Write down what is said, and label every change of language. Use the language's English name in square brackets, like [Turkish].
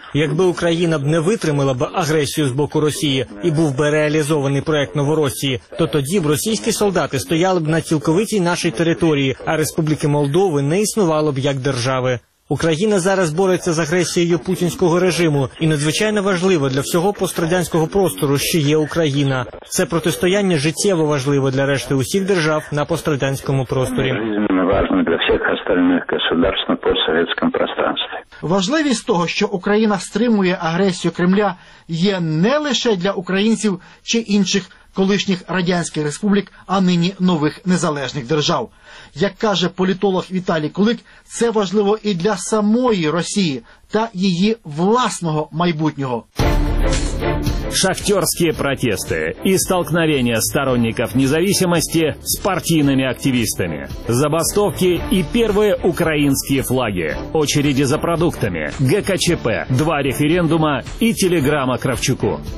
[Ukrainian] Якби Україна б не витримала б агресію з боку Росії і був би реалізований проект Новоросії, то тоді б російські солдати стояли б на цілковитій нашій території, а Республіки Молдови не існувало б як держави. Україна зараз бореться з агресією путінського режиму, і надзвичайно важливо для всього пострадянського простору, що є Україна. Це протистояння життєво важливе для решти усіх держав на пострадянському просторі. Життєво [Russian] важно для всех остальных государств на постсоветском пространстве. [Ukrainian] Важливість того, що Україна стримує агресію Кремля, є не лише для українців чи інших колишніх радянських республік, а нині нових незалежних держав. Як каже політолог Віталій Кулик, це важливо і для самої Росії та її власного майбутнього. [Russian] Шахтерские протесты и столкновения сторонников независимости с партийными активистами. Забастовки и первые украинские флаги. Очереди за продуктами. ГКЧП, два референдума и телеграмма Кравчуку.